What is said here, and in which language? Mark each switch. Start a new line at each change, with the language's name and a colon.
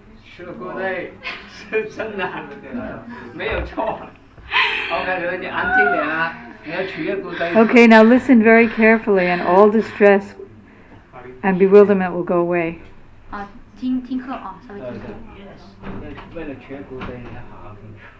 Chinese: 是
English: good day，
Chinese: 是真的，没有错。 OK， 刘姐，安静点啊，你要取悦
English: good day。 OK， now listen very carefully, and all distress and bewilderment will go away.
Chinese: 啊，听课啊，稍微听课。为了取悦
English: good day，
Chinese: 你要好好听。